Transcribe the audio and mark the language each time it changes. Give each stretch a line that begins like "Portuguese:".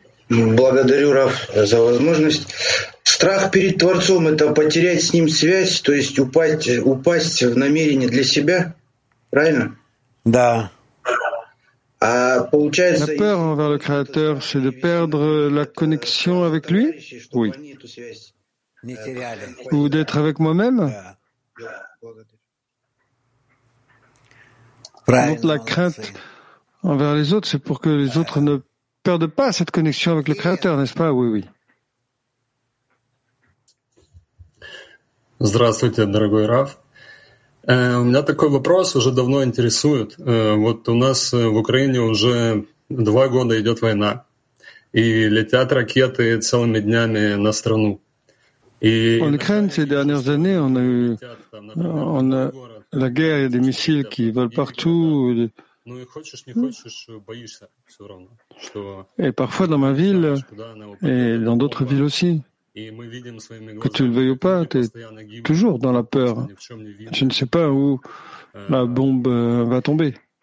Russian: Благодарю, Раф, за возможность. Страх перед Творцом — это потерять с ним связь, то есть упасть в намерение для себя, правильно? Да. А получается.
French: La peur envers le Créateur, c'est de perdre la connexion avec lui? Oui.
Russian: Не теряли.
French: Ou d'être avec moi-même?
Russian: Правильно.
French: Donc, la crainte envers les autres, c'est pour que les autres ne perdent pas cette connexion avec le Créateur, n'est-ce pas? Oui, oui.
Russian: Здравствуйте, дорогой Раф. У меня такой вопрос уже давно интересует. Вот у нас в Украине уже 2 года идет война, и летят ракеты целыми днями на страну.
French: И en Ukraine, ces dernières années, on a eu la guerre, des missiles qui volent partout.
Russian: Ну и хочешь, не хочешь, боишься все равно, что.
French: Et parfois dans ma ville et dans d'autres villes aussi. Que tu le veuilles ou pas, tu es toujours dans la peur. Tu ne sais pas où la bombe va tomber.